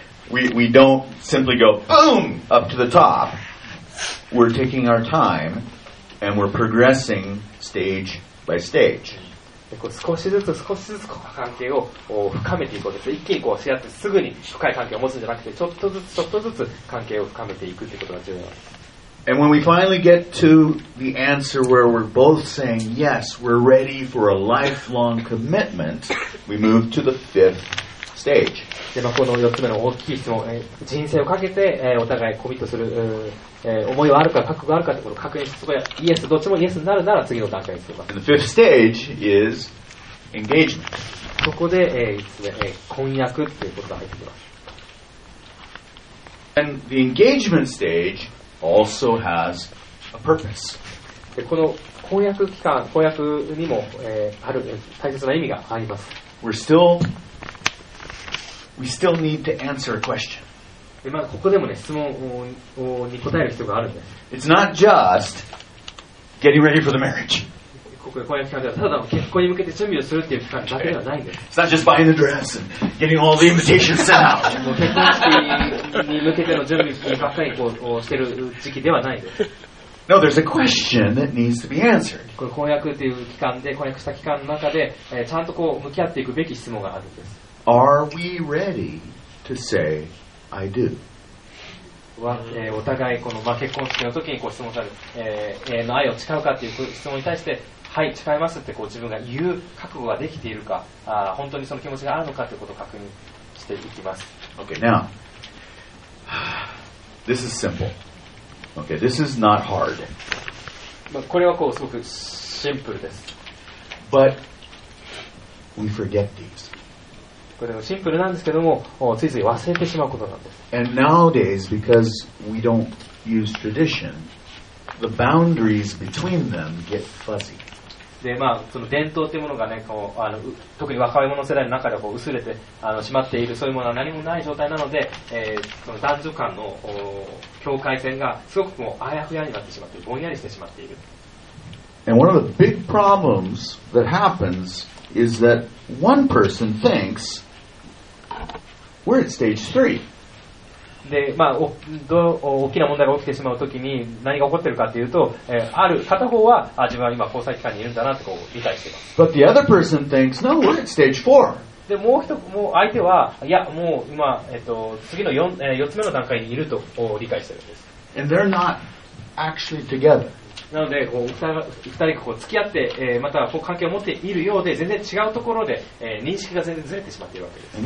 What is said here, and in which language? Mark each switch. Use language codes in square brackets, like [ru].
[en] we don't simply go boom up to the top. We're taking our time and we're progressing stage by stage. [ja] 少しずつ少しずつ関係を深めていくことです。一気にこうし合ってすぐに深い関係を持つんじゃなくて、ちょっとずつちょっとずつ関係を深めていくということが重要です。 [en] And when we finally get to the answer where we're both saying, yes, we're ready for a lifelong commitment, we move to the fifth stage. [ja] で、まあ、この4つ目の大きい質問、人生をかけて、お互いコミットする、思いはあるか覚悟があるかってことを確認して、そこはイエス、どっちもイエスになるなら次の段階に進みます。 [en] The fifth stage is engagement. [ja] そこで、婚約っていうことが入ってきます。 [en] And the engagement stage also has a purpose. [ja] でこの婚約期間、婚約にも、ある大切な意味があります。 [en] We still need to answer a question. [ja] でまあ、ここでも、ね、質問に答える必要があるんです。 [en] It's not just getting ready for the marriage. [ja] ここで婚約期間ではただ結婚に向けて準備をするという期間だけではないんです。 [en] It's not just buying the dress and getting all the invitations sent out. [ja] 結婚式に向けての準備ばっかりこうしている時期ではないんです。 [en] No, there's a question that needs to be answered. [ja] これ婚約という期間で、婚約した期間の中で、ちゃんとこう向き合っていくべき質問があるんです。 [en] Are we ready to sayI do. [ja] お互いこの結婚式の時にこう質問される、の愛を誓うかという質問に対して、はい、誓いますってこう自分が言う覚悟ができているか、本当にその気持ちがあるのかということを確認していきます。 [en] Okay, now, this is simple. Okay, this is not hard. [ja] これはこうすごくシンプルです。 [en] But we forget these. [ja] これはシンプルなんですけども、ついつい忘れてしまうことなんです。 [en] And nowadays, because we don't use tradition, the boundaries between them get fuzzy. [ja] で、まあ、その伝統というものがね、こう、特に若者世代の中ではこう薄れて、しまっている、そういうものは何もない状態なので、その男女間の境界線がすごくもうあやふやになってしまっている、ぼんやりしてしまっている。 [en] And one of the big problems that happens is that one person thinks we're at stage three. [ja] で、まあ、大きな問題が起きてしまうときに何が起こっているかというと、ある片方は自分は今交際期間にいるんだなとこう理解しています。 [en] But the other person thinks, no, we're at stage 4. [ja] でもう一つも相手はいやもう今、次の 4つ目の段階にいると理解しているんです。 [en] And they're not actually together. [ja] なのでこう2人がこう付き合って、またこう関係を持っているようで全然違うところで、認識が全然ずれてしまっているわけです。